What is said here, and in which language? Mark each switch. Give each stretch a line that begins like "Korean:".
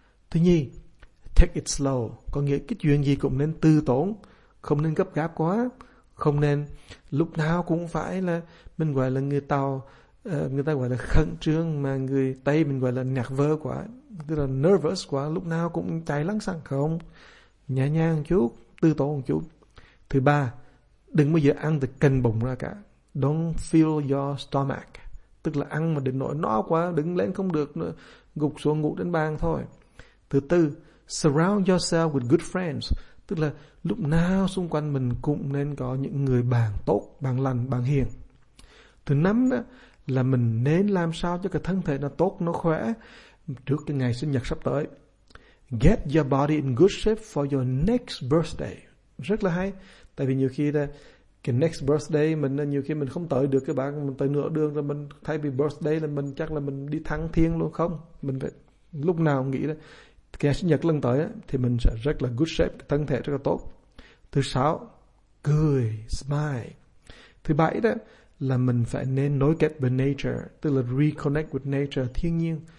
Vietnamese: Thứ nhì,
English: take it slow,
Vietnamese: có nghĩa cái chuyện gì cũng nên từ tốn, không nên gấp gáp quá, không nên lúc nào cũng phải là mình gọi là người tàu, người ta gọi là khẩn trương, mà người Tây mình gọi là nhạc vơ quá, tức là nervous quá, lúc nào cũng chạy lắng sẵn. Không, nhẹ nhàng chút, từ tốn một chút. Thứ ba, đừng bao giờ ăn từ cành bụng ra cả.
English: Don't fill your stomach.
Vietnamese: Tức là ăn mà đừng nổi no quá, đứng lên không được nữa, gục xuống ngủ đến bàn thôi. Thứ tư,
English: surround yourself with good friends.
Vietnamese: Tức là lúc nào xung quanh mình cũng nên có những người bạn tốt, bạn lành, bạn hiền. Thứ năm đó, là mình nên làm sao cho cái thân thể nó tốt, nó khỏe trước cái ngày sinh nhật sắp tới.
English: Get your body in good shape for your next birthday.
Vietnamese: Rất là hay. Tại vì nhiều khi đó, cái next birthday mình, nhiều khi mình không tới được cái bạn, mình tới nửa đường rồi, mình thay vì birthday là mình chắc là mình đi thăng thiên luôn. Không, mình phải lúc nào nghĩ đó, ngày sinh nhật lần tới á, thì mình sẽ rất là
English: good shape,
Vietnamese: thân thể rất là tốt. Thứ sáu, cười,
English: smile.
Vietnamese: Thứ bảy đó là mình phải nên nối kết với nature, tức là
English: reconnect with nature,
Vietnamese: thiên nhiên.